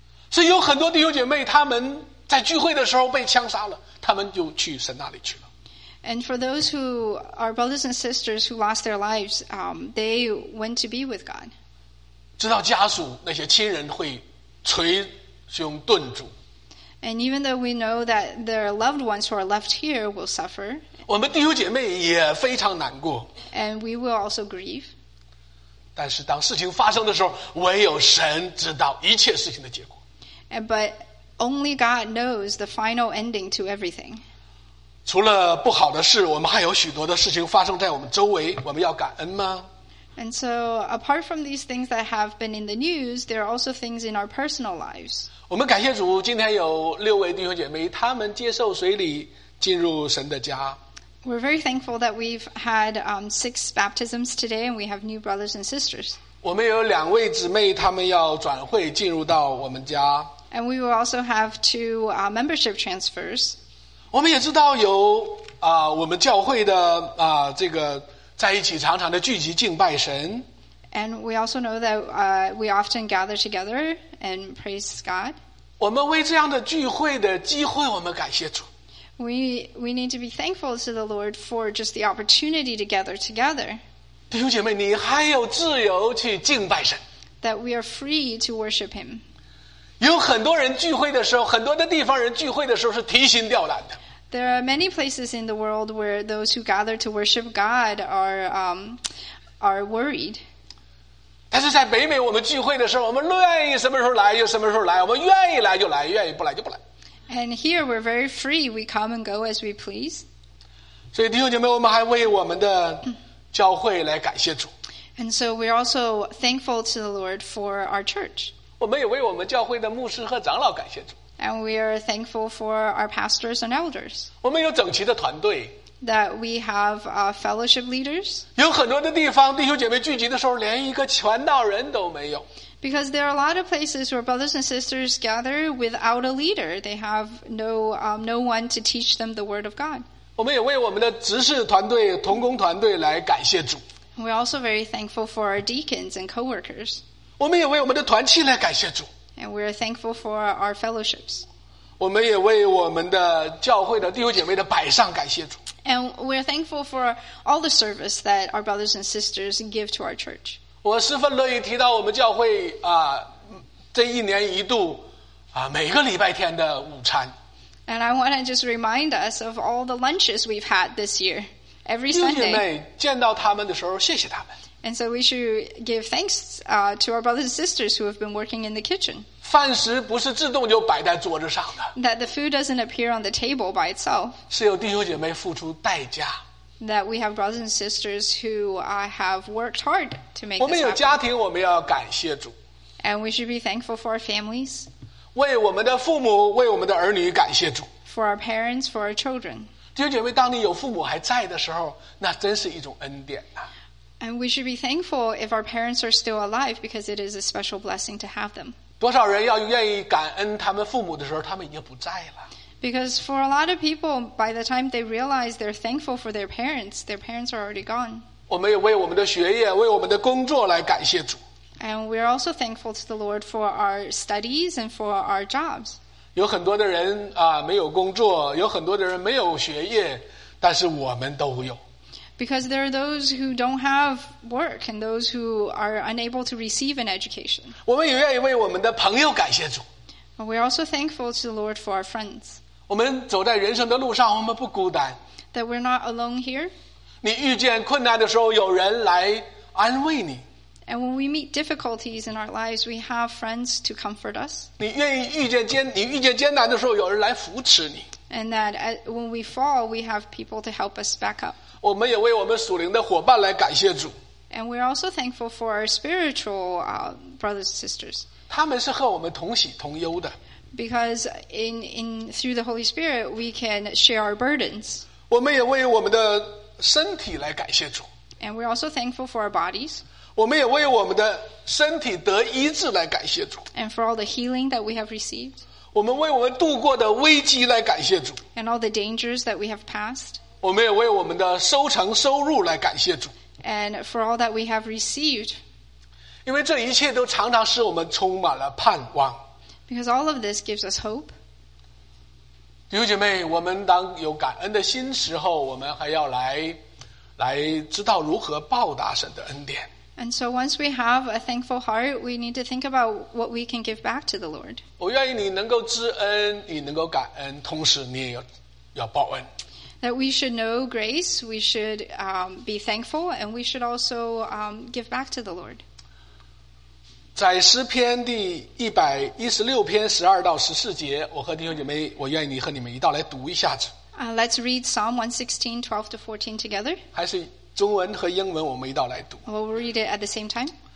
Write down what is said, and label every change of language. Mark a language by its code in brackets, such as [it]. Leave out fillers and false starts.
[zh] 所以有很多弟兄姐妹，他们。在聚会的时候被枪杀了，他们就去神那里去了。 [en] And for those who are brothers and sisters who lost their lives, they went to be with God. [zh] 知道家属那些亲人会捶胸顿足。 [en] And even though we know that their loved ones who are left here will suffer, [zh] 我们弟兄姐妹也非常难过。 [en] And we will also grieve. [zh] 但是当事情发生的时候，唯有神知道一切事情的结果。 [en] And but only God knows the final ending to everything. [zh] 除了不好的事，我们还有许多的事情发生在我们周围，我们要感恩吗？ [en] And so, apart from these things that have been in the news, there are also things in our personal lives. [zh] 我们感谢主，今天有六位弟兄姐妹，他们接受洗礼，进入神的家。 [en] We're very thankful that we've had six baptisms today, and we have new brothers and sisters. [zh] 我们有两位姊妹，他们要转会进入到我们家。 [en] And we will also have two membership transfers. [zh] 我们也知道有我们教会的这个。在一起常常的聚集敬拜神。 [en] And we also know that we often gather together and praise God. [zh] 我们为这样的聚会的机会，我们感谢主。 [en] We need to be thankful to the Lord for just the opportunity to gather together. [zh] 弟兄姐妹，你还有自由去敬拜神。 [en] That we are free to worship Him. [zh] 有很多人聚会的时候，很多的地方人聚会的时候是提心吊胆的。 [en] There are many places in the world where those who gather to worship God are worried. [zh] 但是在北美，我们聚会的时候，我们愿意什么时候来就什么时候来，我们愿意来就来，愿意不来就不来。 [en] And here we're very free; we come and go as we please. [zh] 所以弟兄姐妹，我们还为我们的教会来感谢主。 [en] And so we're also thankful to the Lord for our church. [zh] 我们也为我们教会的牧师和长老感谢主。 [en] And we are thankful for our pastors and elders. [zh] 我们有整齐的团队。 [en] That we have fellowship leaders. [zh] 有很多的地方，弟兄姐妹聚集的时候，连一个传道人都没有。 [en] Because there are a lot of places where brothers and sisters gather without a leader. They have no one to teach them the word of God. [zh] 我们也为我们的执事团队、同工团队来感谢主。 [en] We're also very thankful for our deacons and co-workers. [zh] 我们也为我们的团契来感谢主。 [en] And we are thankful for our fellowships. [zh] 我们也为我们的教会的弟兄姐妹的摆上感谢主。 [en] And we are thankful for all the service that our brothers and sisters give to our church. [zh] 我十分乐意提到我们教会这一年一度每个礼拜天的午餐。 [en] And I want to just remind us of all the lunches we've had this year, every Sunday. [zh] 弟兄姐妹见到他们的时候，谢谢他们。 [en] And so we should give thanks to our brothers and sisters who have been working in the kitchen. [zh] 饭食不是自动就摆在桌子上的。 [en] That the food doesn't appear on the table by itself. [zh] 是有弟兄姐妹付出代价。 [en] That we have brothers and sisters who have worked hard to make this happen. [zh] 我们有家庭，我们要感谢主。 [en] And we should be thankful for our families. [zh] 为我们的父母，为我们的儿女感谢主。 [en] For our parents, for our children. [zh] 弟兄姐妹，当你有父母还在的时候，那真是一种恩典啊。 [en] And we should be thankful if our parents are still alive because it is a special blessing to have them. [zh] 多少人要愿意感恩他们父母的时候，他们已经不在了。 [en] Because for a lot of people, by the time they realize they're thankful for their parents are already gone. [zh] 我们也为我们的学业，为我们的工作来感谢主。 [en] And we're also thankful to the Lord for our studies and for our jobs. [zh] 有很多的人没有工作，有很多的人没有学业，但是我们都有。 [en] Because there are those who don't have work and those who are unable to receive an education. [zh] 我们也愿意为我们的朋友感谢主。 [en] We're also thankful to the Lord for our friends. [zh] 我们走在人生的路上，我们不孤单。 [en] That we're not alone here. [zh] 你遇见困难的时候，有人来安慰你。 [en] And when we meet difficulties in our lives, we have friends to comfort us. [zh] 你愿意遇见艰难的时候，有人来扶持你。 [en] And that when we fall, we have people to help us back up. [zh] 我们也为我们属灵的伙伴来感谢主。 [en] And we're also thankful for our spiritual brothers and sisters. [zh] 他们是和我们同喜同忧的。 [en] Because in through the Holy Spirit, we can share our burdens. [zh] 我们也为我们的身体来感谢主。 [en] And we're also thankful for our bodies. [zh] 我们也为我们的身体得医治来感谢主。 [en] And for all the healing that we have received. [zh] 我们为我们度过的危机来感谢主。 [en] And all the dangers that we have passed. [zh] 我们也为我们的收成收入来感谢主。 [en] And for all that we have received. [zh] 因为这一切都常常使我们充满了盼望。 [en] Because all of this gives us hope. [zh] 弟兄姐妹，我们当有感恩的心时候，我们还要来知道如何报答神的恩典。 [en] And so once we have a thankful heart, we need to think about what we can give back to the Lord. [zh] 我愿意你能够知恩，你能够感恩，同时你也要报恩。 [en] that we should know grace, we should be thankful, and we should also give back to the Lord. [zh] 在诗篇第116篇12到14节，我和弟兄姐妹，我愿意你和你们一道来读一下子。 [en] Let's read Psalm 116, 12 to 14 together. [zh] 还是中文和英文我们一道来读。 [en] We'll read it at the same time.